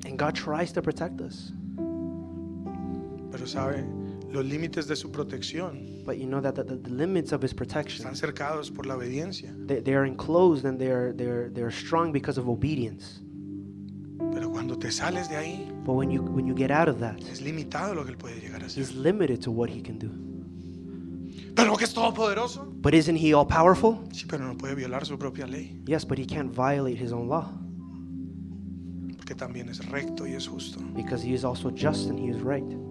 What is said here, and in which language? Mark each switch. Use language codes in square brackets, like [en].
[en] And God tries to protect us. [es] Pero sabe, los límites de su protección. [en] But you know that the limits of his protection. [es] Están cercados por la obediencia. [en] They are enclosed and they are strong because of obedience. [es] Pero cuando te sales de ahí. [en] But when you get out of that. [es] Es limitado lo que él puede llegar a hacer. [en] He's limited to what he can do. [es] Pero que es todopoderoso. [en] But isn't he all powerful? [es] Sí, pero no puede violar su propia ley. [en] Yes, but he can't violate his own law. [es] Porque también es recto y es justo. [en] Because he is also just and he is right.